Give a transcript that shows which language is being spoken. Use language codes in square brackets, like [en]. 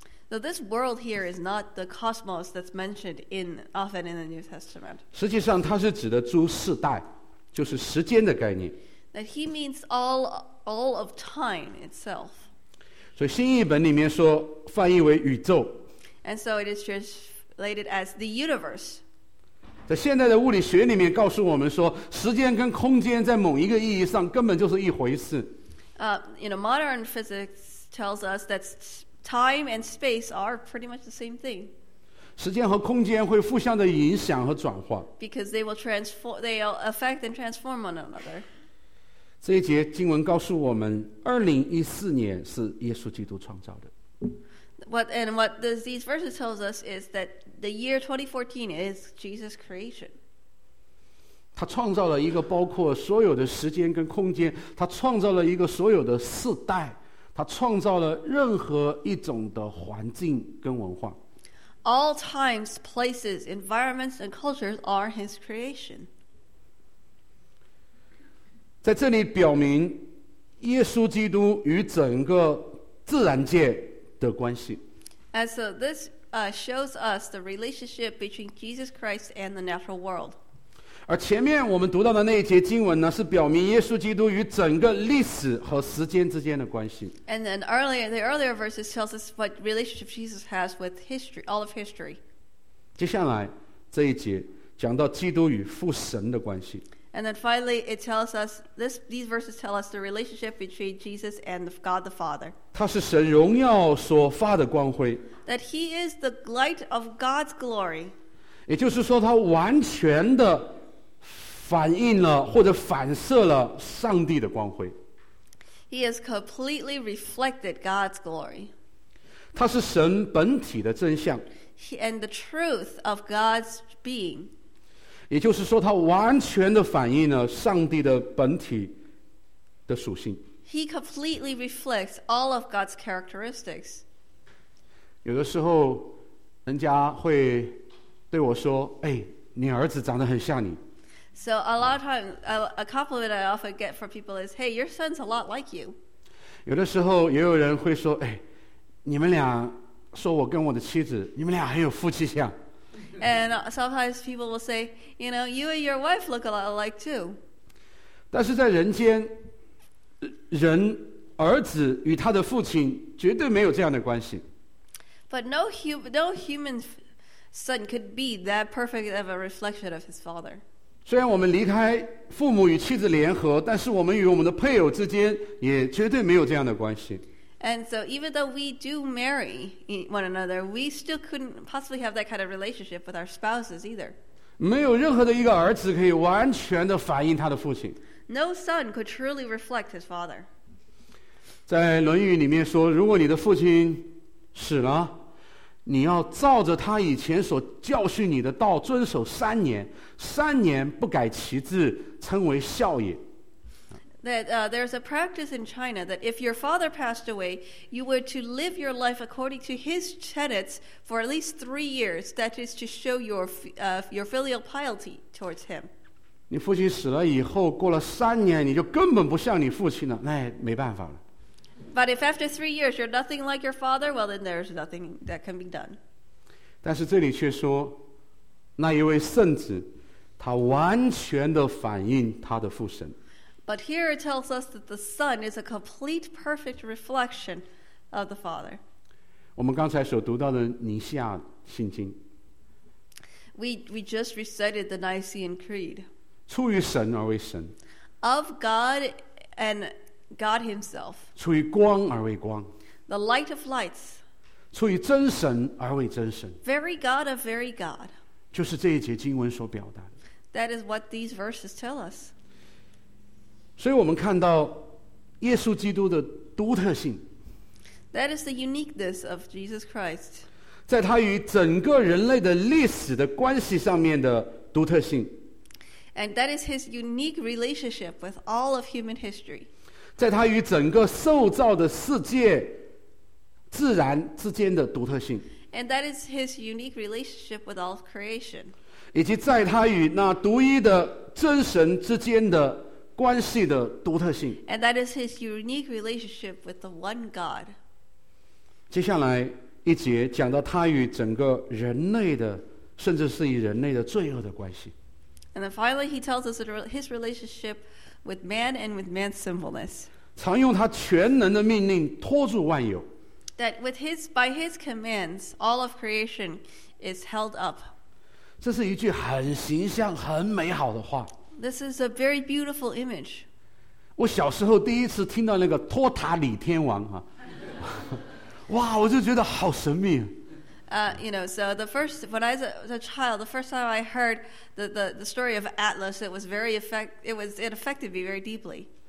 [en] So this world here is not the cosmos that's mentioned often in the New Testament. [zh] 实际上，它是指的诸世代，就是时间的概念。 [en] That he means all of time itself. [zh] 所以新译本里面说翻译为宇宙。 [en] And so it is just. Related as the universe. [zh] 在现代的物理学里面告诉我们说，时间跟空间在某一个意义上根本就是一回事。 [en] Modern physics tells us that time and space are pretty much the same thing. [zh] 时间和空间会互相的影响和转化。 [en] Because they will transform, they'll affect and transform one another. [zh] 这一节经文告诉我们，2014年是耶稣基督创造的。 [en] What these verses tell us is that the year 2014 is Jesus' creation. [zh] 他创造了一个包括所有的时间跟空间，他创造了一个所有的世代，他创造了任何一种的环境跟文化。 [en] All times, places, environments, and cultures are his creation. [zh] 在这里表明耶稣基督与整个自然界的关系。 [en] And so this shows us the relationship between Jesus Christ and the natural world. [zh] 而前面我们读到的那一节经文呢，是表明耶稣基督与整个历史和时间之间的关系。 [en] And then the earlier verses tells us what relationship Jesus has with history, all of history. [zh] 接下来这一节讲到基督与父神的关系。 [en] And then finally, it tells us, these verses tell us the relationship between Jesus and God the Father. [zh] 他是神荣耀所发的光辉。 [en] That he is the light of God's glory. [zh] 也就是说他完全的反映了或者反射了上帝的光辉。 [en] He has completely reflected God's glory. [zh] 他是神本体的真相。 [en] And the truth of God's being. [zh] 也就是说他完全的反映了上帝的本体的属性。 [en] He completely reflects all of God's characteristics. [zh] 有的时候人家会对我说，哎，你儿子长得很像你。 [en] So a lot of times, a compliment I often get from people is, hey, your son's a lot like you. [zh] 有的时候也有人会说，哎，你们俩说我跟我的妻子，你们俩很有夫妻相。 [en] And sometimes people will say, you know, you and your wife look a lot alike too. [zh] 但是在人间，人儿子与他的父亲绝对没有这样的关系。 [en] But no human son could be that perfect of a reflection of his father. [zh] 虽然我们离开父母与妻子联合，但是我们与我们的配偶之间也绝对没有这样的关系。 [en] And so even though we do marry one another, we still couldn't possibly have that kind of relationship with our spouses either. [zh] 没有任何的一个儿子可以完全的反映他的父亲。 [en] No son could truly reflect his father. [zh] 在《论语》里面说，如果你的父亲死了，你要照着他以前所教训你的道遵守三年，三年不改其志，称为孝也。 [en] There's a practice in China that if your father passed away, you were to live your life according to his tenets for at least 3 years. That is to show your filial piety towards him. [zh] 你父亲死了以后，过了三年，你就根本不像你父亲了，那没办法了。 [en] But if after 3 years you're nothing like your father, well then there's nothing that can be done. [zh] 但是这里却说，那一位圣子，他完全地反映他的父神。 [en] But here it tells us that the Son is a complete, perfect reflection of the Father. [zh] 我们刚才所读到的尼西亚信经。 [en] We just recited the Nicene Creed. [zh] 出于神而为神。 [en] Of God and God Himself. [zh] 出于光而为光。 [en] The light of lights. [zh] 出于真神而为真神。 [en] Very God of very God. [zh] 就是这一节经文所表达的。 [en] That is what these verses tell us. [zh] 所以我们看到耶稣基督的独特性。 [en] That is the uniqueness of Jesus Christ. [zh] 在他与整个人类的历史的关系上面的独特性。 [en] And that is his unique relationship with all of human history. [zh] 在他与整个受造的世界自然之间的独特性。 [en] And that is his unique relationship with all of creation. [zh] 以及在他与那独一的真神之间的关系的独特性。 [en] And that is his unique relationship with the one God. [zh] 接下来一节讲到他与整个人类的，甚至是与人类的罪恶的关系。 [en] And then finally he tells us his relationship with man and with man's sinfulness. [zh] 常用他全能的命令托住万有。 [en] That by his commands, all of creation is held up. [zh] 这是一句很形象，很美好的话。 [en] This is a very beautiful image. [zh] 我小时候第一次听到那个托塔李天王啊，哇，我就觉得好神秘。 [en] You know, so the first when I was a child, the first time I heard the story of Atlas, it affected me very deeply.